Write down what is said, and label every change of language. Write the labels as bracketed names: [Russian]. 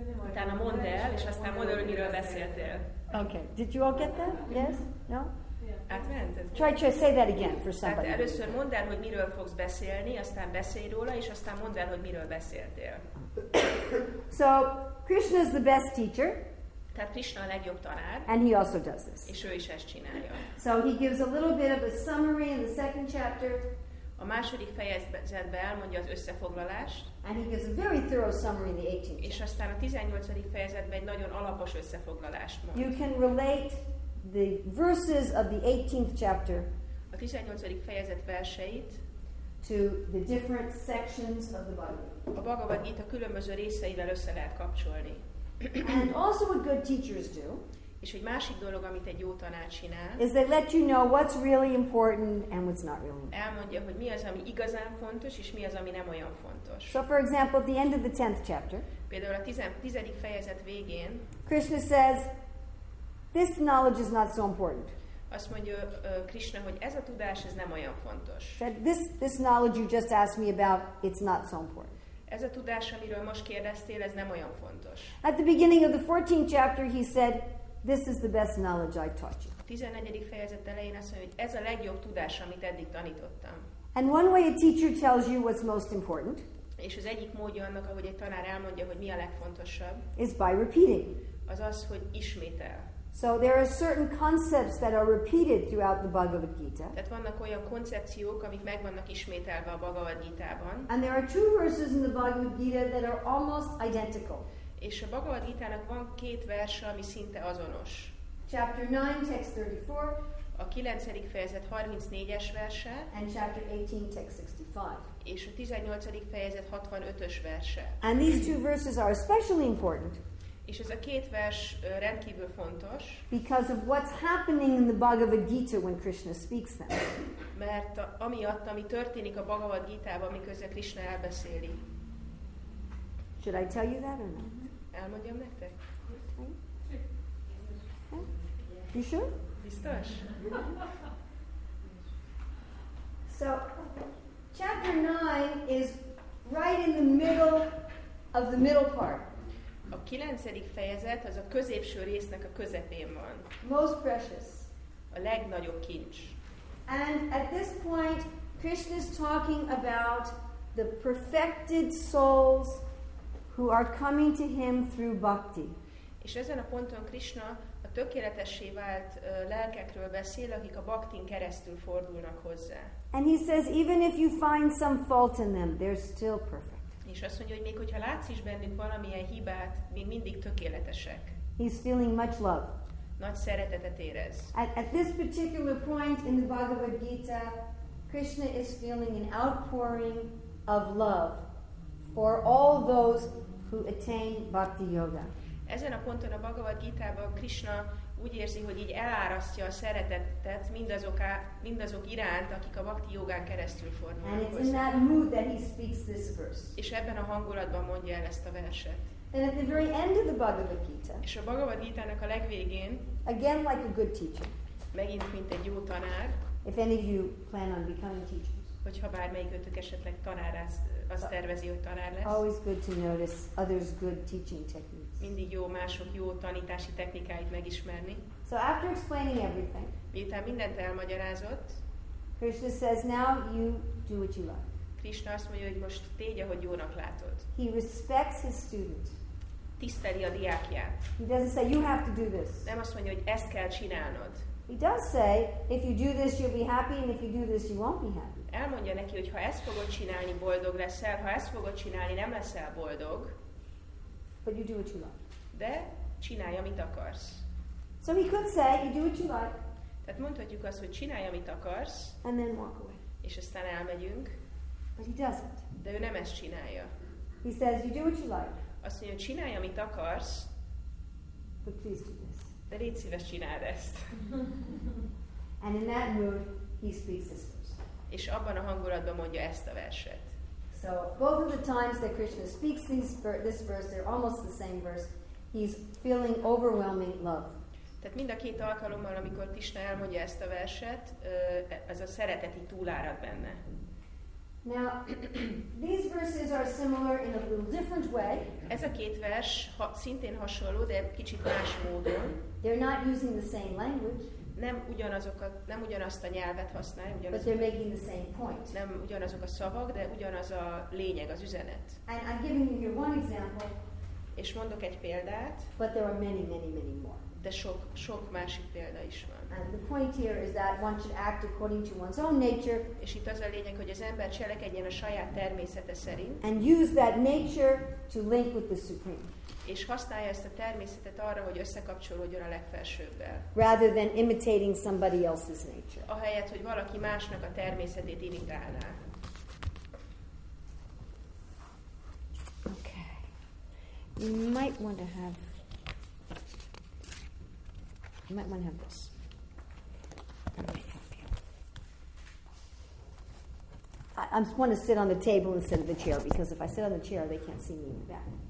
[Hungarian] Utána mondd el, és aztán mondd el, hogy miről beszéltél. [English] Okay. Did you all get that? Yes? No? [Hungarian] Átmented. [English] Try to say that again for somebody. [Hungarian] Tehát először mondd el, hogy miről fogsz beszélni, aztán beszélj róla, és aztán mondd el, hogy miről beszéltél. [English] So, Krishna is the best teacher. [Hungarian] Tehát Krishna a legjobb tanár. [English] And he also does this. [Hungarian] És ő is ezt csinálja. [English] So he gives a little bit of a summary in the second chapter. [Hungarian] A második fejezetben elmondja az összefoglalást. [English] And he gives a very thorough summary in the 18th. [Hungarian] És aztán a 18. fejezetben egy nagyon alapos összefoglalást mond. [English] You can relate the verses of the 18th chapter. [Hungarian] A 18. fejezet verseit. [English] To the different sections of the Bhagavad. [Hungarian] A Bhagavad Gita különböző részeivel össze lehet kapcsolni. [English] And also what good teachers do. [Hungarian] És egy másik dolog, amit egy jó tanács csinál. [English] Is they let you know what's really important and what's not really important. [Hungarian] Elmondja, hogy mi az, ami igazán fontos, és mi az, ami nem olyan fontos. [English] So for example, at the end of the 10th chapter. [Hungarian] Például a 10. fejezet végén. [English] Krishna says, this knowledge is not so important. [Hungarian] Azt mondja Krishna, hogy ez a tudás, ez nem olyan fontos. [English] That this knowledge you just asked me about, it's not so important. [Hungarian] Ez a tudás, amiről most kérdeztél, ez nem olyan fontos. [English] At the beginning of the 14th chapter, he said, this is the best knowledge I taught you. [Hungarian] 14. fejezet elején azt mondja, hogy ez a legjobb tudás, amit eddig tanítottam. [English] And one way a teacher tells you what's most important. [Hungarian] És az egyik módja annak, ahogy egy tanár elmondja, hogy mi a legfontosabb. [English] Is by repeating. [Hungarian] Az, hogy ismétel. [English] So there are certain concepts that are repeated throughout the Bhagavad Gita. [Hungarian] Tehát vannak olyan koncepciók, amik meg vannak ismételve a Bhagavad Gitában. [English] And there are two verses in the Bhagavad Gita that are almost identical. [Hungarian] És a Bhagavad Gitának van két verse, ami szinte azonos. [English] Chapter 9, text 34. [Hungarian] A 9. fejezet 34-es verse. [English] And chapter 18, text 65. [Hungarian] És a 18. fejezet 65-ös verse. [English] And these two verses are especially important. [Hungarian] És ez a két vers rendkívül fontos. [English] Because of what's happening in the Bhagavad Gita when Krishna speaks them. [Hungarian] Mert amiatt, ami történik a Bhagavad Gitában, miközben Krishna elbeszéli. [English] Should I tell you that or not? [Hungarian] Elmondjam nektek? [English] You sure? [Hungarian] Biztos? [English] So, chapter 9 is right in the middle of the middle part. [Hungarian] A 9. fejezet az a középső résznek a közepén van. [English] Most precious. [Hungarian] A legnagyobb kincs. [English] And at this point, Krishna is talking about the perfected souls who are coming to him through bhakti. [Hungarian] És ezen a ponton Krishna a tökéletessé vált lelkekről beszél, akik a bhaktin keresztül fordulnak hozzá. [English] And he says, even if you find some fault in them, they're still perfect. [Hungarian] És azt mondja, hogy még hogyha látsz is bennük valamilyen hibát, még mindig tökéletesek. [English] He's feeling much love. [Hungarian] Nagy szeretetet érez. [English] At this particular point in the Bhagavad Gita, Krishna is feeling an outpouring of love for all those who attain bhakti yoga. [Hungarian] Ezen a ponton a Bhagavad Gita-ban Krishna úgy érzi, hogy így elárasztja a szeretetet mindazok iránt, akik a bhakti jogán keresztül fordulnak. [English] And it's in that mood that he speaks this verse. [Hungarian] És ebben a hangulatban mondja el ezt a verset. [English] And at the very end of the Bhagavad Gita. [Hungarian] És a Bhagavad Gita-nak a legvégén. [English] Again, like a good teacher. [Hungarian] Megint mint egy jó tanár. [English] If any of you plan on becoming teachers. [Hungarian] Hogyha bármelyikőtök esetleg tanár az tervezi, hogy tanár lesz. [English] Always good to notice others' good teaching techniques. [Hungarian] Mindig jó mások jó tanítási technikáit megismerni. [English] So after explaining everything. [Hungarian] Miután mindent elmagyarázott. [English] Krishna says now you do what you like. [Hungarian] Krishna azt mondja, hogy most tégy, ahogy jónak látod. [English] He respects his student. [Hungarian] Tiszteli a diákját. [English] He doesn't say you have to do this. [Hungarian] Nem azt mondja, hogy ezt kell csinálnod. [English] He does say if you do this you'll be happy and if you do this you won't be happy. [Hungarian] Elmondja neki, hogy ha ezt fogod csinálni, boldog leszel, ha ezt fogod csinálni, nem leszel boldog. [English] But you do what you like. [Hungarian] De csinálj, amit akarsz. [English] So he could say, you do what you like. [Hungarian] Tehát mondhatjuk azt, hogy csinálj, amit akarsz. [English] And then walk away. [Hungarian] És aztán elmegyünk. [English] But he doesn't. [Hungarian] De ő nem ezt csinálja. [English] He says, you do what you like. [Hungarian] Azt mondja, csinálj, amit akarsz. [English] But please do this. [Hungarian] De légy szíves, csináld ezt. [English] And in that mood, he speaks this verse. [Hungarian] És abban a hangulatban mondja ezt a verset. [English] So both of the times that Krishna speaks this verse, they're almost the same verse. He's feeling overwhelming love. [Hungarian] Tehát mind a két alkalommal, amikor Krishna elmondja ezt a verset, ez a szereteti túlárad benne. [English] Now these verses are similar in a little different way. [Hungarian] Ez a két vers szintén hasonló, de kicsit más módon. [English] They're not using the same language. [Hungarian] nem ugyanazokat, nem ugyanazt a nyelvet használ, [English] but they're making the same point. [Hungarian] Nem ugyanazok a szavak, de ugyanaz a lényeg, az üzenet. [English] And I'm giving you here one example. [Hungarian] És mondok egy példát. [English] But there are many, many, many more. [Hungarian] De sok, sok másik példa is van. [English] And the point here is that one should act according to one's own nature. [Hungarian] És itt az a lényeg, hogy az ember cselekedjen a saját természete szerint. [English] And use that nature to link with the supreme. [Hungarian] És használja ezt a természetet arra, hogy összekapcsolódjon a legfelsőbbel. [English] Rather than imitating somebody else's nature. [Hungarian] Ahelyett, hogy valaki másnak a természetét imitálná. [English] Okay. You might want to have this. I just want to sit on the table instead of the chair, because if I sit on the chair, they can't see me in the back.